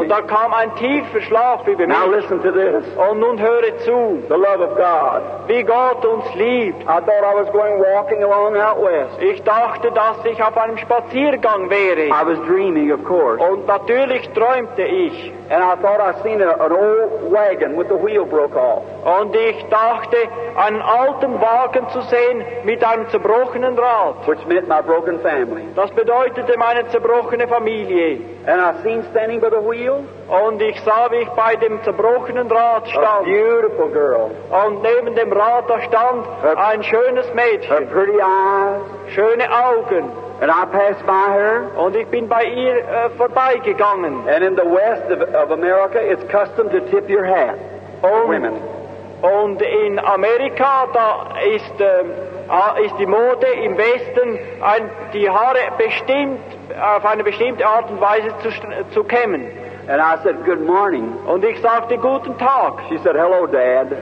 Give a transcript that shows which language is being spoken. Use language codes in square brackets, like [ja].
[de] Und dann kam ein tiefer Schlaf über mich. [en] Now listen to this. [de] Und nun höre zu. [en] The love of God. [de] Wie Gott uns liebt. [en] I thought I was going walking along out west. [de] Ich dachte, dass ich auf einem Spaziergang wäre. [en] I was dreaming, of course. [de] Und natürlich träumte ich. [en] And I thought I seen an old wagon with the wheel broke off. [de] Und ich dachte, einen alten Wagen zu sehen mit einem zerbrochenen Rad. [en] Which meant my broken family. [de] Das bedeutete meine zerbrochene Familie. [en] And I seen standing by the wheel. [de] Und ich sah, wie ich bei dem zerbrochenen Rad stand. [en] A beautiful girl. [de] Und neben dem Rad da stand ein schönes Mädchen. [en] Her pretty eyes. [de] Schöne Augen. [en] And I passed by her. [de] Und ich bin bei ihr vorbeigegangen. [en] And in the west of America, it's custom to tip your hat to women. [de] Und in Amerika, da ist, ist die Mode im Westen, die Haare bestimmt, auf eine bestimmte Art und Weise zu kämmen. [en] And I said, good morning. [de] Und ich sagte, guten Tag. [en] She said, hello, Dad.